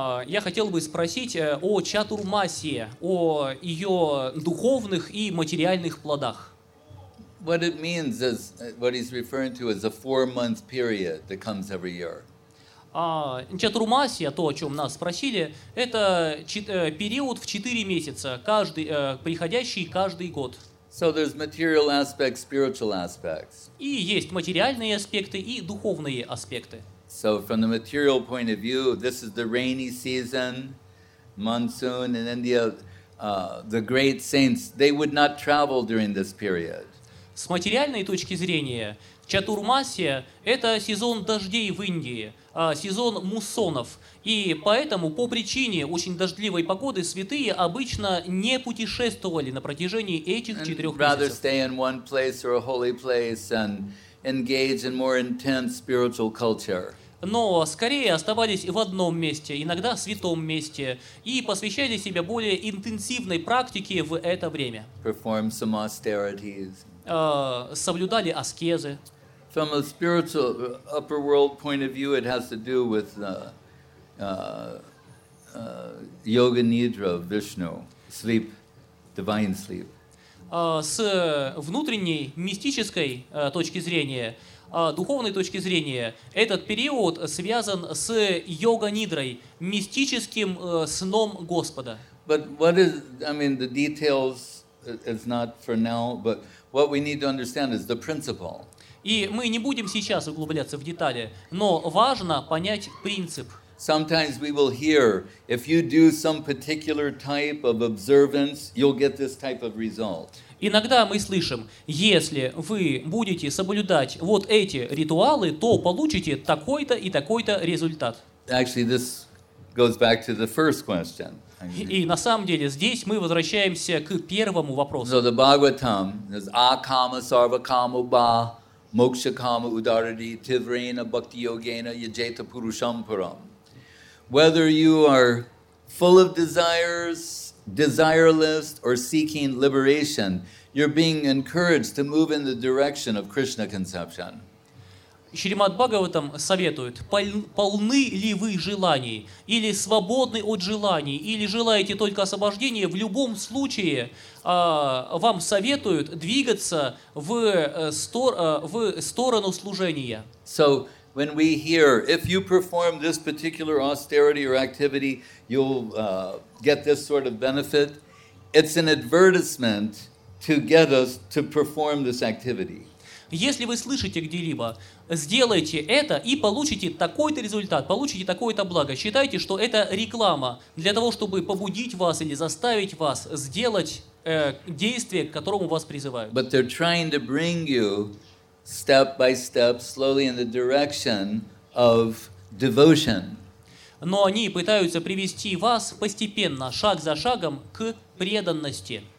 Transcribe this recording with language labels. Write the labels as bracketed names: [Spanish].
[Russian] Я хотел бы спросить о чатурмасе, о ее духовных и материальных плодах. [English] What it means is what he's referring to is a four-month period that comes every year. [Russian] Чатурмасия, то, о чем нас спросили, это период в 4 месяца, приходящий каждый год. [English] So there's material aspects, spiritual aspects. [Russian] И есть материальные аспекты и духовные аспекты. [English] So from the material point of view, this is the rainy season, monsoon in India. The great saints, they would not travel during this period. [Russian] С материальной точки зрения, чатурмасия – это сезон дождей в Индии, сезон муссонов. И поэтому по причине очень дождливой погоды святые обычно не путешествовали на протяжении этих 4 месяцев. [English] Rather stay in one place or a holy place and engage in more intense spiritual culture. [Russian] Но скорее оставались в одном месте, иногда в святом месте, и посвящали себя более интенсивной практике в это время. [English] Perform some austerities. [Russian] Соблюдали аскезы. [English] From a spiritual upper world point of view, it has to do with yoga nidra, Vishnu, sleep, divine sleep. [Russian] С внутренней, мистической точки зрения, духовной точки зрения, этот период связан с йога-нидрой, мистическим сном Господа. [English] But what is, I mean, the details is not for now, but what we need to understand is the principle. [Russian] И мы не будем сейчас углубляться в детали, но важно понять принцип. [English] Sometimes we will hear, if you do some particular type of observance, you'll get this type of result. [Russian] Иногда мы слышим, если вы будете соблюдать вот эти ритуалы, то получите такой-то и такой-то результат. [English] Actually, this goes back to the first question. [Russian] И на самом деле здесь мы возвращаемся к первому вопросу. [English] So the Bhagavatam is [Sanskrit] Akama Sarvakama Ba. Moksha kama udarati tivrena bhakti yogena yajeta purusham puram. [English] Whether you are full of desires, desireless, or seeking liberation, you're being encouraged to move in the direction of Krishna conception. [Russian] Шримад Бхагаватам советует, полны ли вы желаний, или свободны от желаний, или желаете только освобождения, в любом случае вам советуют двигаться в сторону служения. [English] So, when we hear, if you perform this particular austerity or activity, you'll get this sort of benefit, it's an advertisement to get us to perform this activity. [Russian] Если вы слышите где-либо, сделайте это и получите такой-то результат, получите такое-то благо. Считайте, что это реклама для того, чтобы побудить вас или заставить вас сделать действие, к которому вас призывают. [English] But they're trying to bring you step by step, slowly in the direction of devotion. [Russian] Но они пытаются привести вас постепенно, шаг за шагом, к преданности.